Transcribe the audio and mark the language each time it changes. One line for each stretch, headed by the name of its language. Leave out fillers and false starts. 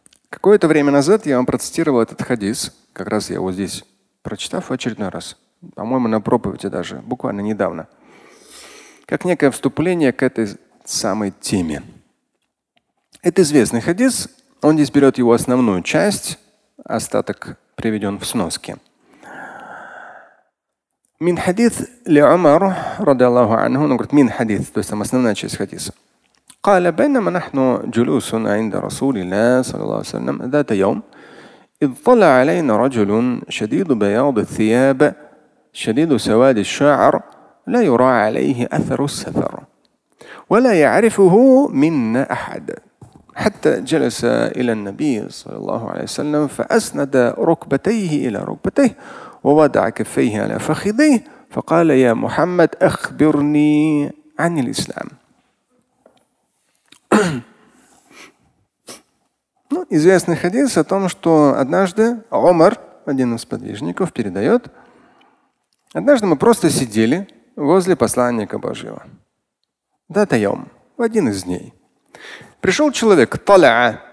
Russian: Какое-то время назад я вам процитировал этот хадис, как раз я его здесь прочитав в очередной раз, по-моему, на проповеди даже, буквально недавно, как некое вступление к этой самой теме. Это известный хадис, он здесь берет его основную часть, остаток приведен в сноске. Мин хадис ли Умар, ради Аллаху анху, он говорит, мин хадис, то есть там основная часть хадиса.
Arabic: قال بينما نحن جلوس عند رسول الله صلى الله عليه وسلم ذات يوم إذ طلع علينا رجل شديد بياض الثياب شديد سواد الشعر لا يرى عليه أثر السفر ولا يعرفه منا أحد حتى جلس إلى النبي صلى الله عليه وسلم فأسند ركبتيه إلى ركبتيه ووضع كفيه على فخذيه فقال يا محمد أخبرني عن الإسلام.
Russian: Ну, известный хадис о том, что однажды Умар, один из подвижников, передает. Однажды мы просто сидели возле посланника Божьего. Дата йом, в один из дней. Пришел человек, таля.